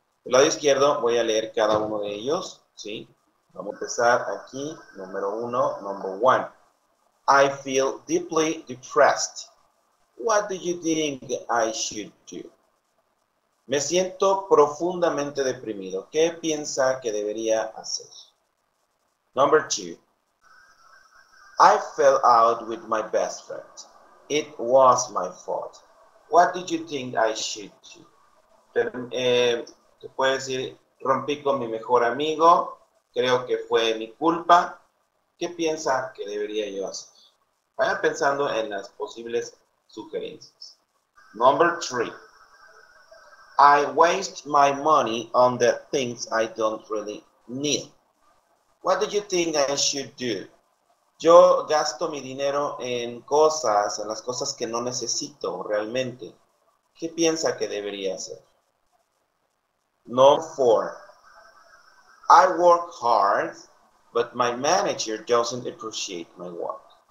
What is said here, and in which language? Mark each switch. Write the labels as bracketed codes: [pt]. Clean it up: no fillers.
[es] Del lado izquierdo voy a leer cada uno de ellos, ¿sí? Vamos a empezar aquí, número uno, [en] number one. I feel deeply depressed. What do you think I should do? [es] Me siento profundamente deprimido. ¿Qué piensa que debería hacer? [en] Number two, I fell out with my best friend. It was my fault. What did you think I should do? [es] Te puedes decir, rompí con mi mejor amigo. Creo que fue mi culpa. ¿Qué piensa que debería yo hacer? Vaya pensando en las posibles sugerencias. [en] Number three, I waste my money on the things I don't really need. What do you think I should do? [es] Yo gasto mi dinero en las cosas que no necesito realmente. ¿Qué piensa que debería hacer? [en] Number four, I work hard, but my manager doesn't appreciate my work.